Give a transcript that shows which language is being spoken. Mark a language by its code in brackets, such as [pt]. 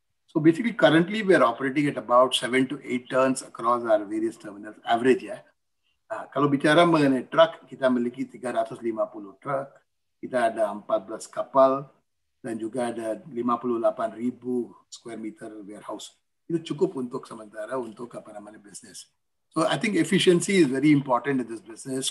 [en] So basically, currently we are operating at about 7 to 8 turns across our various terminals, average ya. [id] Nah, kalau bicara mengenai truk, kita memiliki 350 truk, kita ada 14 kapal, dan juga ada 58 ribu square meter warehouse. Itu cukup untuk sementara untuk apa namanya bisnis. [en] So I think efficiency is very important in this business.